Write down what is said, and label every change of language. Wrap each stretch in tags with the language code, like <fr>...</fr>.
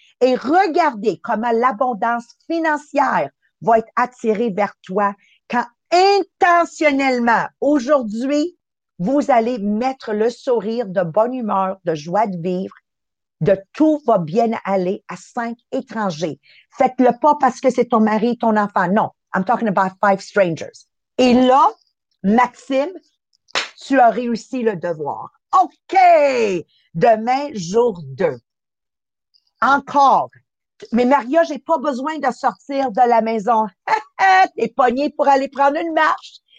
<fr>Et regardez comment l'abondance financière va être attirée vers toi quand intentionnellement, aujourd'hui, vous allez mettre le sourire de bonne humeur, de joie de vivre, de tout va bien aller à 5 étrangers. Faites-le pas parce que c'est ton mari, ton enfant.</fr> <en>Non, I'm talking about 5 strangers.</en> <fr>Et là, Maxime, tu as réussi le devoir. OK! Demain, jour 2. Encore. Mais Maria, j'ai pas besoin de sortir de la maison. T'es pognée pour aller prendre une marche.</fr>